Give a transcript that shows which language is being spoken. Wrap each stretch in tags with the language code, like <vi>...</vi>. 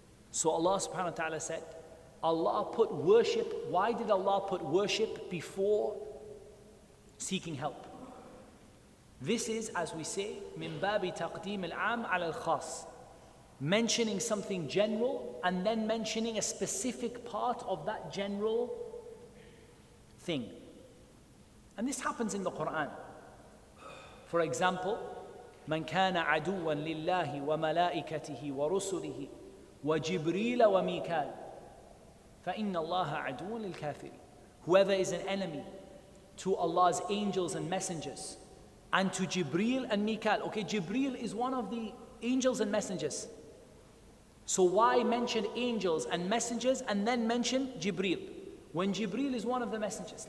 <en>So Allah subhanahu wa ta'ala said, Allah put worship, why did Allah put worship before seeking help? This is, as we say,</en> <ar>min babi taqdeem al-am ala al-khas,</ar> <en>mentioning something general and then mentioning a specific part of that general thing. And this happens in the Quran. For example,</en> <ar>من كان عدوا لله وملائكته ورسله وجبريل وميكال فإن الله عدو للكافرين.</ar> <en>Whoever is an enemy to Allah's angels and messengers and to Jibreel and Mikal. Okay, Jibreel is one of the angels and messengers. So why mention angels and messengers and then mention Jibreel, when Jibreel is one of the messengers?</en>